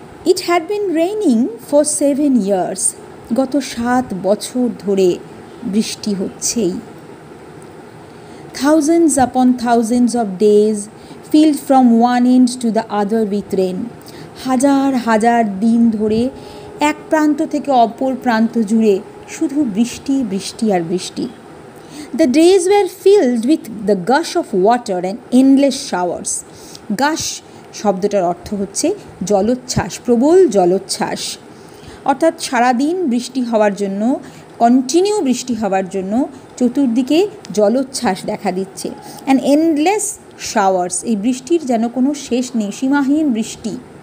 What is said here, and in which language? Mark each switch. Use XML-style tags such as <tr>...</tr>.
<en>it had been raining for 7 years,</en> <bn>গত 7 বছর ধরে বৃষ্টি হচ্ছেই।</bn> <en>thousands upon thousands of days filled from one end to the other with rain,</en> <bn>হাজার হাজার দিন ধরে এক প্রান্ত থেকে অপর প্রান্ত জুড়ে শুধু বৃষ্টি, বৃষ্টি আর বৃষ্টি।</bn> <en>The days were filled with the gush of water and endless showers.</en> <bn>Gush শব্দটার অর্থ হচ্ছে জলোচ্ছ্বাস, প্রবল জলোচ্ছ্বাস। অর্থাৎ সারাদিন বৃষ্টি হওয়ার জন্য, কন্টিনিউ বৃষ্টি হওয়ার জন্য চতুর্দিকে জলোচ্ছ্বাস দেখা দিচ্ছে।</bn> <en>and endless showers,</en> <bn>এই বৃষ্টির যেন কোনো শেষ নেই, সীমাহীন বৃষ্টি।</bn>